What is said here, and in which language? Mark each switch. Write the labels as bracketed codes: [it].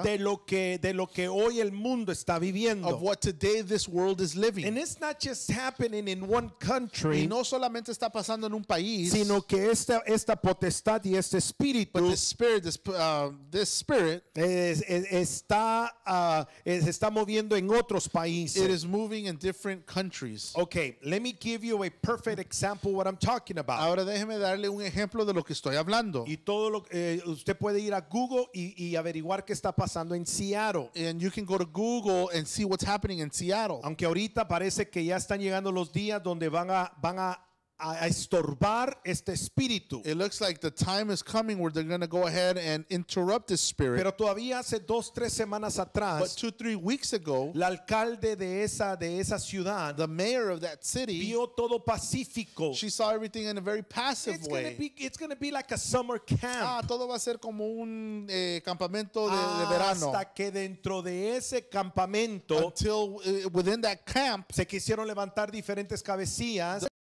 [es] De lo que hoy el mundo está viviendo. [en] Of what today this world is living. And it's not just happening in one country. [es] Y no solamente está pasando en un país. Sino que esta potestad y este espíritu. [en] But this spirit. [es] Está moviendo en otros países. [en] It is moving in different countries. Okay, let me give you a perfect example of what I'm talking about. [es] Ahora déjeme darle un ejemplo de lo que estoy hablando. Y todo lo usted puede ir a Google y averiguar qué está pasando en Seattle. [en] And you can go to Google and see what's happening in Seattle. [es] Aunque ahorita parece que ya están llegando los días donde van a estorbar este espíritu. [en] It looks like the time is coming where they're going to go ahead and interrupt this spirit. [es] Pero todavía hace dos, tres semanas atrás, [en] but 2-3 weeks ago, [es] el alcalde de esa ciudad, [en] the mayor of that city, [es] vio todo pacífico. [en] She saw everything in a very passive it's way. It's going to be like a summer camp. [es] Ah, todo va a ser como un campamento de verano. Hasta que dentro de ese campamento, [en] until within that camp, [es] se quisieron levantar diferentes cabecillas.